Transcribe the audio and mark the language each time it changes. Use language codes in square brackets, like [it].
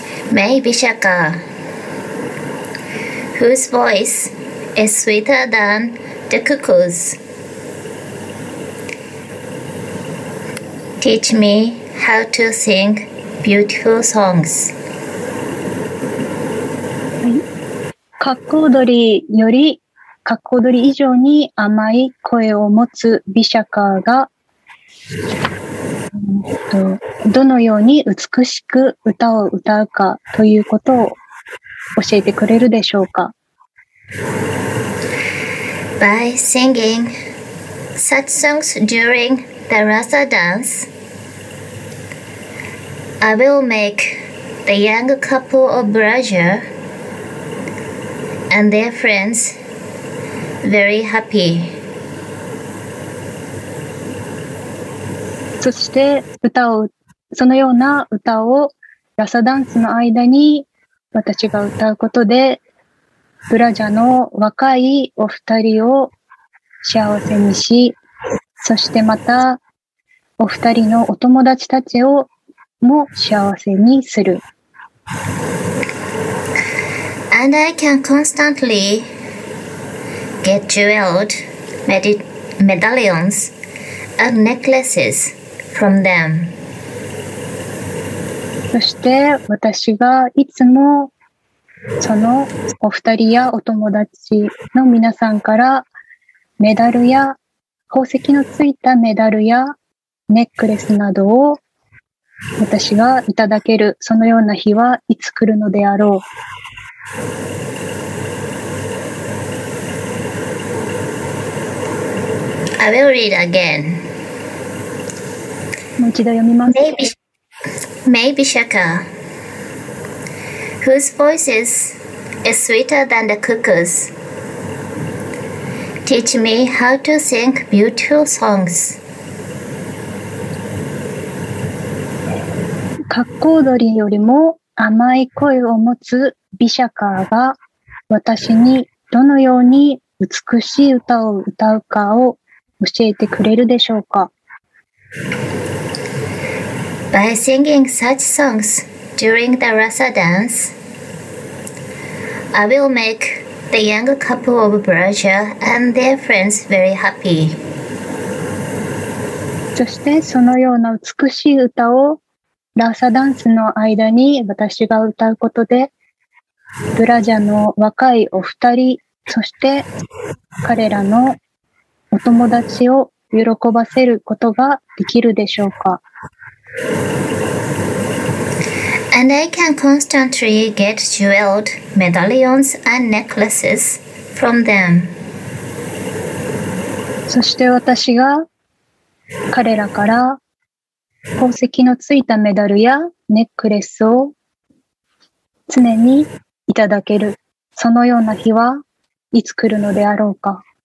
[en] May Vishaka, whose voice is sweeter than the cuckoo's, teach me how to sing beautiful songs. [ja] かっこ踊りよりかっこ踊り以上に甘い声を持つビシャカが、どのように美しく歌を歌うかということを教えてくれるでしょうか。 [en] By singing such songs during the Rasa dance, I will make the young couple of Braja and their friends very happy. [ja] そして歌をそのような歌をラサダンスの間に私が歌うことでブラジャの若いお二人を幸せにし、そしてまたお二人のお友達たちをも幸せにする。 [en] And I can constantly get jeweled medallions and necklacesFrom them. [ja] そして私がいつもそのお二人やお友達の皆さんからメダルや宝石のついたメダルやネックレスなどを私がいただける、そのような日はいつ来るのであろう。 [en] I will read again. [ja] もう一度読みます。 [en] May Vishaka, whose voice is sweeter than the cuckoo's, teach me how to sing beautiful songs. [ja] かっこ踊りよりも甘い声を持つビシャカーが私にどのように美しい歌を歌うかを教えてくれるでしょうか。 [en] By singing such songs during the Rasa dance, I will make the young couple of Braja and their friends very happy. [ja] そしてそのような美しい歌をラサダンスの間に私が歌うことで、ブラジャの若いお二人、そして彼らのお友達を喜ばせることができるでしょうか。 [en] And I can constantly get jeweled medallions and necklaces from them. [ja] そして私が彼らから宝石のついたメダルやネックレスを常にいただける、そのような日はいつ来るのであろうか。